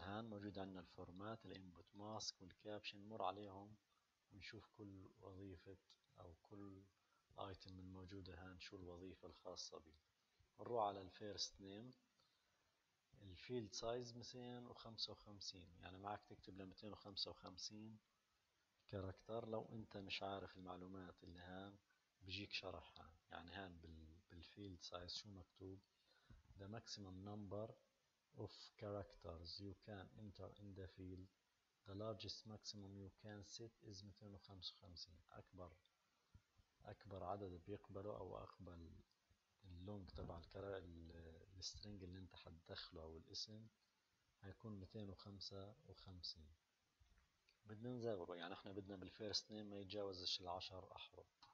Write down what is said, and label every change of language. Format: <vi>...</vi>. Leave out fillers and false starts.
<ar>هان موجود عندنا الفورمات، الانبوت ماسك والكابشن، نمر عليهم ونشوف كل وظيفة او كل ايتم من موجودة هان شو الوظيفة الخاصة به. نروح على الفيرست نيم، الفيلد سايز 255، يعني معك تكتب ل 255 كاركتر. لو انت مش عارف المعلومات اللي هان بيجيك شرحها، يعني هان بالفيلد سايز شو مكتوب:</ar> <en>the maximum number of characters you can enter in the field, the largest maximum you can set is 255.</en> <ar>اكبر عدد بيقبله او اقبل اللونج تبع السترينج اللي انت حتدخله او الاسم هيكون 255. بدنا نزوره، يعني احنا بدنا بالفيرست نيم ما يتجاوزش العشر احرف.</ar>